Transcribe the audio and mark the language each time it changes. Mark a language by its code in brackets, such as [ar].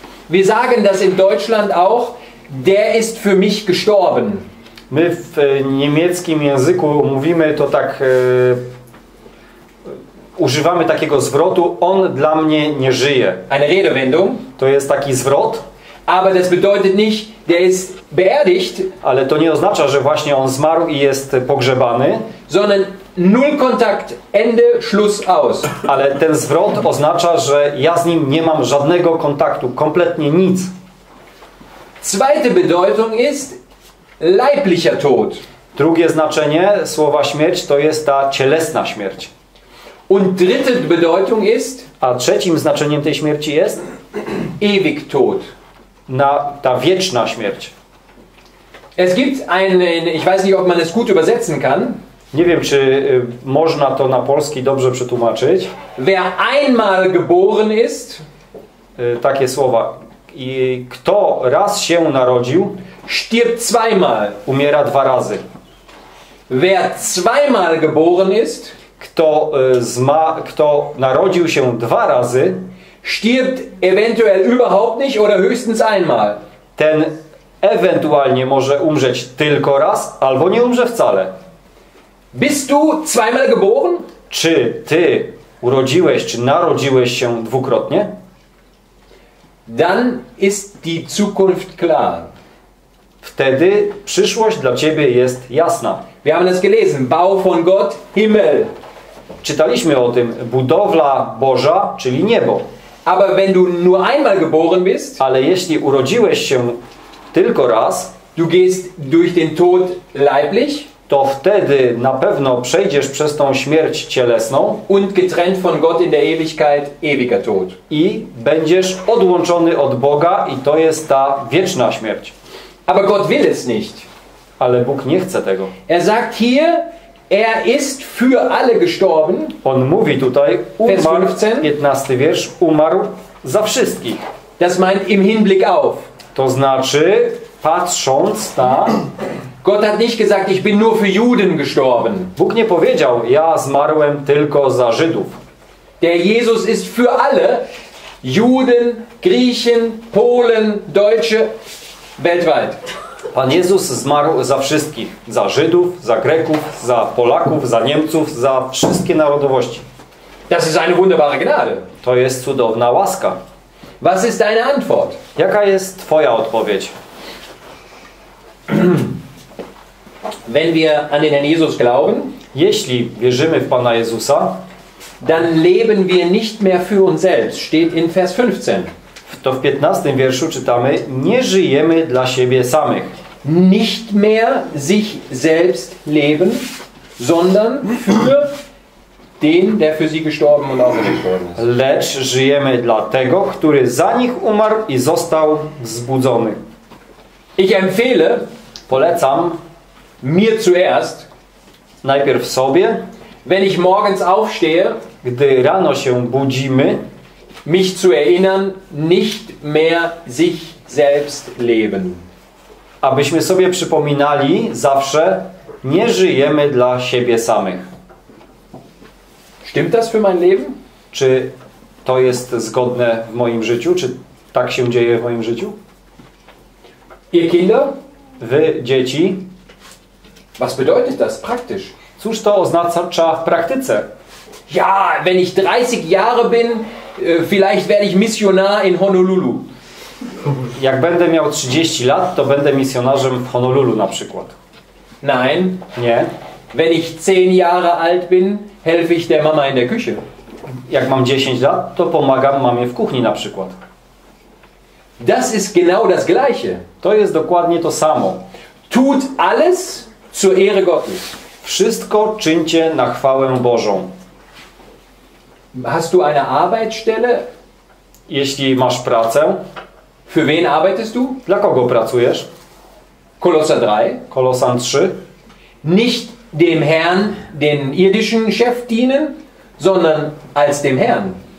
[de] Wir sagen das in Deutschland auch, der ist für mich gestorben. [pl] My w niemieckim języku mówimy to tak, używamy takiego zwrotu, on dla mnie nie żyje. [de] Eine Redewendung. [pl] To jest taki zwrot. [de] Aber das bedeutet nicht, der ist beerdigt, [pl] ale to nie oznacza, że właśnie on zmarł i jest pogrzebany, [de] sondern null Kontakt, Ende, Schluss, aus. [pl] Ale ten zwrot oznacza, że ja z nim nie mam żadnego kontaktu, kompletnie nic. [de] Zweite Bedeutung ist leiblicher Tod. [pl] Drugie znaczenie słowa śmierć to jest ta cielesna śmierć. [de] Und dritte Bedeutung ist, [pl] a trzecim znaczeniem tej śmierci jest [de] ewig Tod. [pl] Na ta wieczna śmierć. [de] Es gibt einen, ich weiß nicht, ob man es gut übersetzen kann. [pl] Nie wiem, czy można to na polski dobrze przetłumaczyć. [de] Wer einmal geboren ist, [pl] takie słowa. I kto raz się narodził, [de] stirbt zweimal, [pl] umiera dwa razy. [de] Wer zweimal geboren ist, [pl] kto narodził się dwa razy, [de] stirbt eventuell überhaupt nicht oder höchstens einmal. [pl] Ten ewentualnie może umrzeć tylko raz, albo nie umrze wcale. [de] Bist du zweimal geboren? [pl] Czy ty urodziłeś, czy narodziłeś się dwukrotnie? [de] Dann ist die Zukunft klar. [pl] Wtedy przyszłość dla ciebie jest jasna. [de] Wir haben es gelesen. Bau von Gott, Himmel. [pl] Czytaliśmy o tym. Budowla Boża, czyli niebo. [de] Aber wenn du nur einmal geboren bist, [pl] ale jeśli urodziłeś się tylko raz, [de] du gehst durch den Tod leiblich, [pl] to wtedy na pewno przejdziesz przez tą śmierć cielesną [de] und getrennt von Gott in der Ewigkeit, ewiger Tod. [pl] I będziesz odłączony od Boga i to jest ta wieczna śmierć. [de] Aber Gott will es nicht. [pl] Ale Bóg nie chce tego. [de] Er sagt hier, er ist für alle gestorben. [pl] On mówi tutaj, umarł, 15 wiersz, umarł za wszystkich. [de] Das meint im Hinblick auf. [pl] To znaczy, patrząc na... [de] Gott hat nicht gesagt, ich bin nur für Juden gestorben. [pl] Bóg nie powiedział, ja zmarłem tylko za Żydów. [de] Der Jesus ist für alle, Juden, Griechen, Polen, Deutsche, weltweit. [pl] Pan Jezus zmarł za wszystkich. Za Żydów, za Greków, za Polaków, za Niemców, za wszystkie narodowości. [de] Das ist eine wunderbare Gnade. [pl] To jest cudowna łaska. [de] Was ist deine Antwort? [pl] Jaka jest twoja odpowiedź? [de] Wenn wir an den Herrn Jesus glauben, [pl] jeśli wierzymy w Pana Jezusa, [de] dann leben wir nicht mehr für uns selbst, steht in Vers 15. [pl] To w 15. wierszu czytamy: nie żyjemy dla siebie samych. [de] Nicht mehr sich selbst leben, sondern für den, der für sie gestorben und auferweckt worden ist. [pl] Lecz żyjemy dla tego, który za nich umarł i został wzbudzony. [de] Ich empfehle, [pl] polecam [de] mir zuerst, [pl] najpierw sobie, [de] wenn ich morgens aufstehe, [pl] gdy rano się budzimy, [de] mich zu erinnern, nicht mehr sich selbst leben. [pl] Abyśmy sobie przypominali zawsze, nie żyjemy dla siebie samych. [de] Stimmt das für mein Leben? [pl] Czy to jest zgodne w moim życiu? Czy tak się dzieje w moim życiu? [de] Ihr Kinder? [pl] Wy, dzieci? [de] Was bedeutet das praktisch? [pl] Cóż to oznacza w praktyce? [de] Ja, wenn ich 30 Jahre bin, vielleicht werde ich Missionar in Honolulu. [pl] Jak będę miał 30 lat, to będę misjonarzem w Honolulu na przykład. [de] Nein. [pl] Nie. [de] Wenn ich 10 Jahre alt bin, helfe ich der Mama in der Küche. [pl] Jak mam 10 lat, to pomagam mamie w kuchni na przykład. [de] Das ist genau das gleiche. [pl] To jest dokładnie to samo. [de] Tut alles zur Ehre Gottes. [pl] Wszystko czyńcie na chwałę Bożą. [de] Hast du eine Arbeitsstelle? [pl] Jeśli masz pracę. [de] Für wen arbeitest du? [pl] Dla kogo pracujesz? [de] Kolosan 3. [pl] Kolosan 3. [de] Nicht dem Herrn, den irdischen Chef dienen, sondern als dem Herrn.